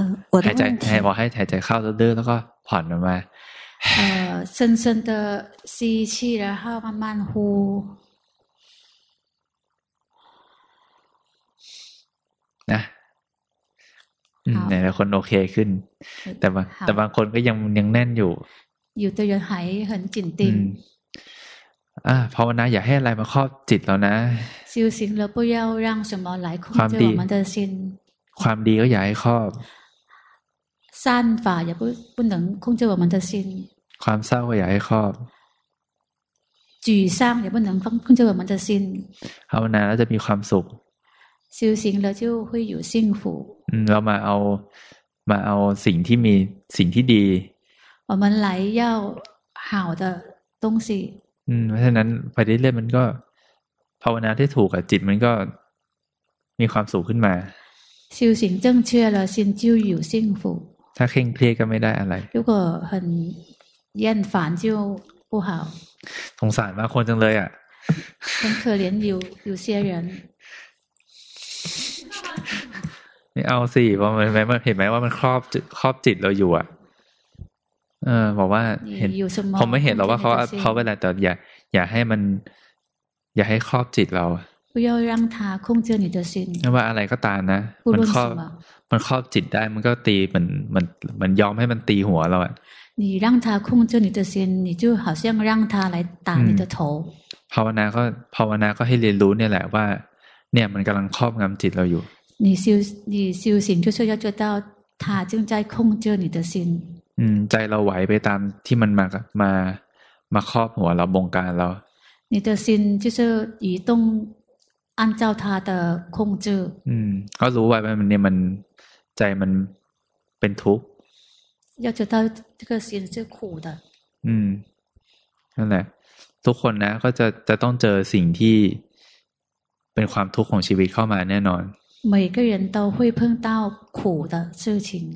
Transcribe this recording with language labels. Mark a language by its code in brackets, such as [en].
[zh] 我的问题我还在靠着的那个盘的吗深深的吸气然后慢慢呼 [th] 那แต่คนโอเคขึ้นแต่บางคนก็ยังแน่นอยู่ อยู่แต่ยังหายเหินจิตติง ภาวนาอย่าให้อะไรมาครอบจิตเรานะ [zh] 修行了不要让什么来控制我们的心 [th] ความดีก็อย่าให้ครอบ [zh] 善法也不能控制我们的心 [th] ความเศร้าก็อย่าให้ครอบ [zh] 沮丧也不能控制我们的心 [th] ภาวนาแล้วจะมีความสุข [zh] 修行了就会有幸福 [th] เรามาเอาสิ่งที่มีสิ่งที่ดี [zh] 我们来要好的东西 [th] เพราะฉะนั้นไปเรื่อยๆมันก็ภาวนาที่ถูกกับจิตมันก็มีความสุขขึ้นมา [zh] 修行正确了心就有幸福 [th] ถ้าเคร่งเครียดก็ไม่ได้อะไร [zh] 如果很厌烦就不好 [th] สงสารมากคนจังเลยอ่ะ [zh] 很可怜有些人 [th] ไม่เอาสิว่ามันเห็นไหมว่ามันครอบจิตเราอยู่อ่ะบอกว่าเห็นผมไม่เห็นหรอกว่าเขาเวลาแต่อย่าให้มันอย่าให้ครอบจิตเรา ไม่ [zh] 要让他控制你的心 [th] ไม่ว่าอะไรก็ตามนะมันครอบจิตได้มันก็ตีมันยอมให้มันตีหัวเราอ่ะ [zh] 你让他控制你的心，你就好像让他来打你的头。 [th] ภาวนาก็ภาวนาก็ให้เรียนรู้เนี่ยแหละว่าเนี่ยมันกำลังครอบงำจิตเราอยู่ [zh] 你修你修行就是要知道他正在控制你的心。 [th] ใจเราไหวไปตามที่มันมาครอบหัวเราบงการเรา [zh] 你的心就是移动按照他的控制。 [th] ก็รู้ไว้ว่ามันเนี่ยมันใจมันเป็นทุกข์ [zh] 要知道这个心是苦的。 [th] นั่นแหละทุกคนนะก็จะต้องเจอสิ่งที่เป็นความทุกข์ของชีวิตเข้ามาแน่นอน [zh] 每个人都会碰到苦的事情